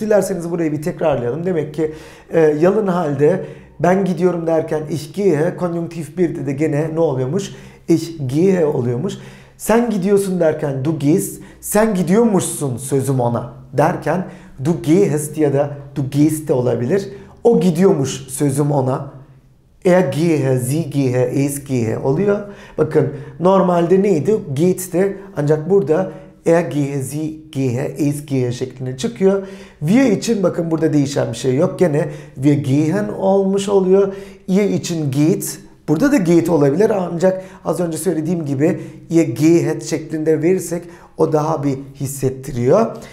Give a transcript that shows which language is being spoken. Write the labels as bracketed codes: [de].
[tr] Dilerseniz burayı bir tekrarlayalım. Demek ki yalın halde ben gidiyorum derken [de] ich gehe, [tr] konjunktif 1'de de gene ne oluyormuş? [de] Ich gehe [tr] oluyormuş. Sen gidiyorsun derken [de] du gehst, [tr] sen gidiyormuşsun sözüm ona derken du gehst ya da du gehst de olabilir. O gidiyormuş sözüm ona. [de] Er gehe, sie gehe, es gehe [tr] oluyor. Bakın normalde neydi? Geht'ti. Ancak burada [de] er gehe, sie gehe, es gehe [tr] şeklinde çıkıyor. Wir için bakın burada değişen bir şey yok. Gene [de] wir gehen [tr] olmuş oluyor. Ihr için geht. Burada da geht olabilir ancak az önce söylediğim gibi [de] ihr gehet [tr] şeklinde verirsek o daha bir hissettiriyor.